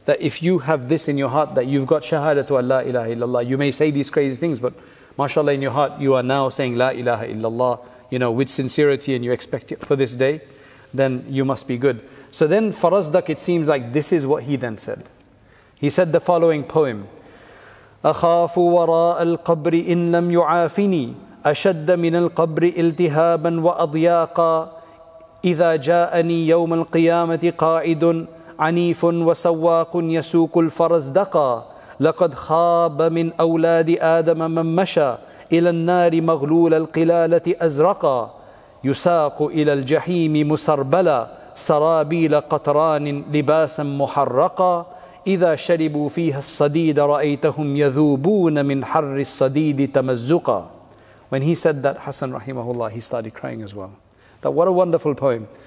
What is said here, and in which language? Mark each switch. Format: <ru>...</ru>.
<en>That if you have this in your heart, that you've got shahada to Allah, ilaha illallah, you may say these crazy things, but mashallah in your heart, you are now saying la ilaha illallah, you know, with sincerity, and you expect it for this day, then you must be good. So then Farazdaq, it seems like this is what he then said. He said the following poem.</en> <ar>أَخَافُ وَرَاءَ الْقَبْرِ إِنْ لَمْ يُعَافِنِي أَشَدَّ مِنَ الْقَبْرِ إِلْتِهَابًا وَأَضْيَاقًا إِذَا جَاءَنِي يَوْمَ الْقِيَامَةِ قَاعِدٌ عَنِيفٌ وَسَوَّاقٌ يَسُوكُ الْفَرَزْدَقَى لَقَدْ خَابَ مِنْ أَوْلَادِ آدَمَ مَنْ مَشَى إِلَى النَّارِ مَغْلُولَ الْقِلَالَةِ أَزْرَقَى يُسَاقُ إِلَى الْجَحِيمِ مُسَرْبَلَى سَرَابِيلَ قَطْرَانٍ لِبَاسًا مُحَرَّقَى إذا شربوا فيها الصديد رأيتهم يذوبون من حر الصديد تمزقا.</ar> <en>When he said that, Hassan rahimahullah, he started crying as well. That what a wonderful poem.</en>